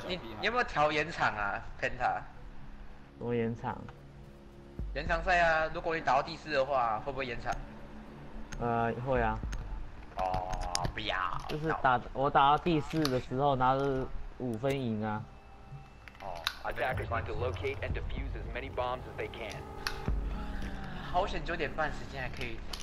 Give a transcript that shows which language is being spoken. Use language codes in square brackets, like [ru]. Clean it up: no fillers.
[zh] 小屁孩。你有没有调延长啊 ，Penta？什么延长？延长赛啊！如果你打到第四的话，会不会延长？会啊。哦，不要。就是打我打到第四的时候，拿着五分赢啊。 [en] 哦 ，Attackers want to locate and defuse as many bombs as they can。 [zh] 好险，九点半时间还可以。